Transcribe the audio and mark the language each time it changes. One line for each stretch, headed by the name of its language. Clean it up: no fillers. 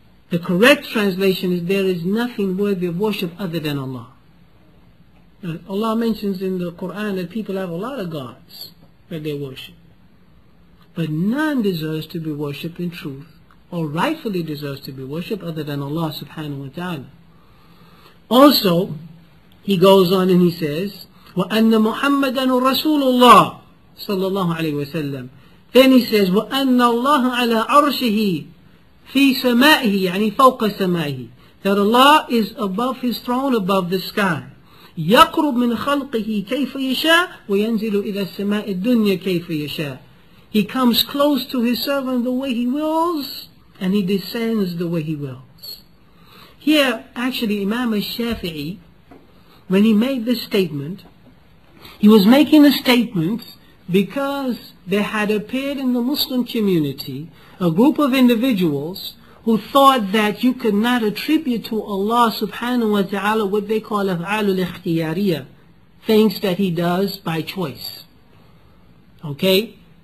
English: The correct translation is there is nothing worthy of worship other than Allah. Allah mentions in the Quran that people have a lot of gods that they worship. But none deserves to be worshipped in truth, or rightfully deserves to be worshipped other than Allah subhanahu wa ta'ala. Also, he goes on and he says,
Arabic: وَأَنَّ مُحَمَّدًا رَسُولُ اللَّهِ صلى الله عليه وسلم.
English: Then he says,
Arabic: وَأَنَّ اللَّهَ عَلَى عَرْشِهِ فِي سَمَائِهِ يعني فوق سمائه.
English: That Allah is above his throne, above the sky.
Arabic: يَقْرُبْ مِنْ خَلْقِهِ كَيْفَ يَشَاءُ وَيَنْزِلُ إِلَى السَّمَاءِ الدُّنْيَا كَيْفَ يَشَاءُ.
English: He comes close to his servant the way he wills, and he descends the way he wills. Here, actually, Imam al-Shafi'i, when he made this statement, he was making a statement because there had appeared in the Muslim community a group of individuals who thought that you could not attribute to Allah subhanahu wa ta'ala what they call af'al al-ikhtiyariya, things that he does by choice. Okay?